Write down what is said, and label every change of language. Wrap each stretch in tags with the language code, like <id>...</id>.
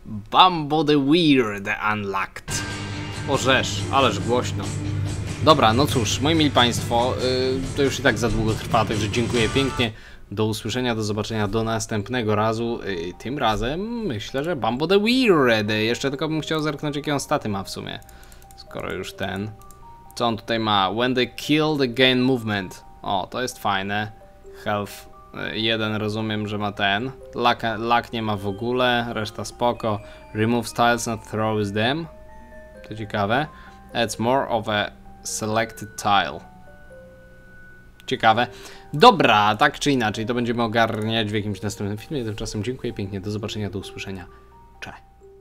<en>Bumbo the Weird unlocked.</en> <pl>Orzesz, ależ głośno. Dobra, no cóż, moi mili państwo, to już i tak za długo trwa, także dziękuję pięknie. Do usłyszenia, do zobaczenia, do następnego razu. Tym razem myślę, że Bumble the Weird. Jeszcze tylko bym chciał zerknąć, jakie on staty ma w sumie. Skoro już ten. Co on tutaj ma?</pl> <en>When they kill, they gain movement.</en> <pl>O, to jest fajne. Health 1, rozumiem, że ma ten. Luck nie ma w ogóle, reszta spoko.</pl> <en>Remove tiles and throw them.</en> <pl>To ciekawe.</pl> <en>It's more of a selected tile.</en> <pl>Ciekawe. Dobra, tak czy inaczej, to będziemy ogarniać w jakimś następnym filmie. Tymczasem dziękuję pięknie, do zobaczenia, do usłyszenia. Cześć.</pl>